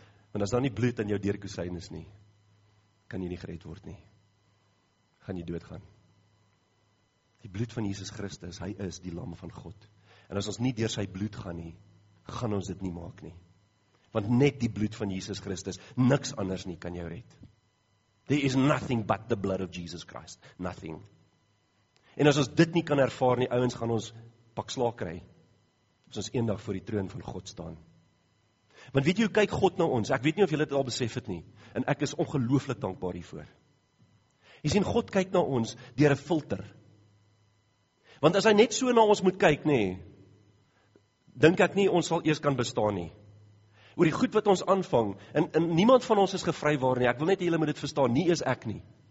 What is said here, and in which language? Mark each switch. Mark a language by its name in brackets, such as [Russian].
[Afrikaans] Want as daar nie bloed aan jou deurkosyne is nie, kan jy nie gered word nie. Gaan jy doodgaan. Die bloed van Jesus Christus, hy is die lam van God. En as ons nie deur sy bloed gaan nie, gaan ons dit nie maak nie. Want net die bloed van Jesus Christus, niks anders nie kan jou red. [English] There is nothing but the blood of Jesus Christ. [Afrikaans] Nothing. En as ons dit nie kan ervaar nie, ouens, gaan ons pak slaag kry. As ons eendag voor die troon van God staan. Want weet jy, kyk God na ons. Ek weet nie of julle dit al besef het nie. En ek is ongelooflik dankbaar hiervoor. Jy sien, God kyk na ons deur 'n filter. Want as hy net so na ons moet kyk, nie, dink ek nie, ons sal eers kan bestaan nie. Oor die goed wat ons aanvang, en niemand van ons is gevry waar nie, ek wil net julle moet dit verstaan, nie eers ek nie.